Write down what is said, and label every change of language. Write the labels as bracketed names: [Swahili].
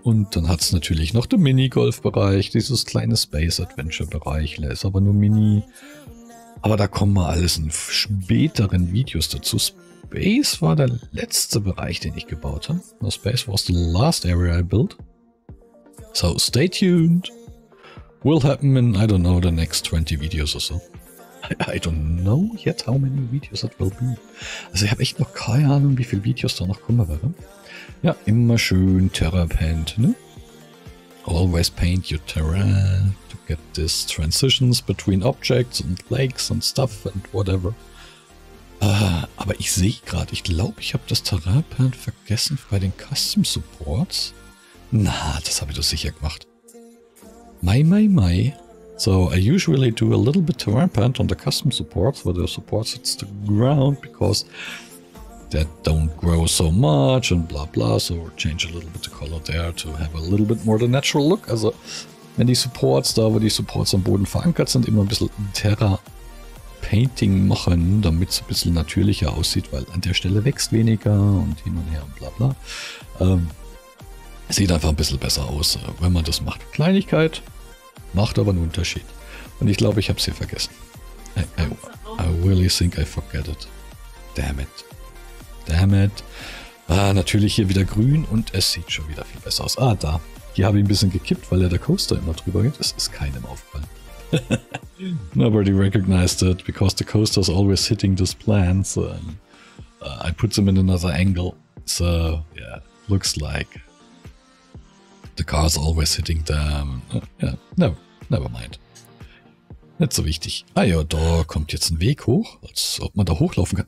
[German] Und dann hat es natürlich noch den Minigolf-Bereich, dieses kleine Space-Adventure-Bereich. Der ist aber nur Mini. Aber da kommen wir alles in späteren Videos dazu. Space war der letzte Bereich, den ich gebaut habe. [English] Space was the last area I built. So stay tuned. Will happen in, I don't know, the next 20 videos or so. I don't know yet how many videos it will be. [German] Also ich habe echt noch keine Ahnung, wie viele Videos da noch kommen werden. Ja, immer schön Terra paint, ne? [English] Always paint your terrain to get these transitions between objects and lakes and stuff and whatever. [German] Aber ich sehe gerade, ich glaube, ich habe das Terrain-Pan vergessen bei den Custom Supports. Na, das habe ich doch sicher gemacht. Mai. [English] So, I usually do a little bit Terrain-Pan on the Custom Supports, where the supports hits the ground, because that don't grow so much and blah blah, so change a little bit the color there to have a little bit more the natural look. [German] Also, wenn die Supports da, wo die Supports am Boden verankert sind, immer ein bisschen Terra-Painting machen, damit es ein bisschen natürlicher aussieht, weil an der Stelle wächst weniger und hin und her und bla bla. Sieht einfach ein bisschen besser aus, wenn man das macht. Kleinigkeit, macht aber einen Unterschied. Und ich glaube, ich habe es hier vergessen. [English] I really think I forget it. [German] Damn it. Ah, natürlich hier wieder grün und es sieht schon wieder viel besser aus. Ah, da. Hier habe ich ein bisschen gekippt, weil ja der Coaster immer drüber geht. Das ist keinem aufgefallen. [English] Nobody recognized it, because the coaster is always hitting those plants. I put them in another angle. So, yeah, looks like the car is always hitting them. Yeah, no, never mind. [German] Nicht so wichtig. Ah ja, da kommt jetzt ein Weg hoch, als ob man da hochlaufen kann.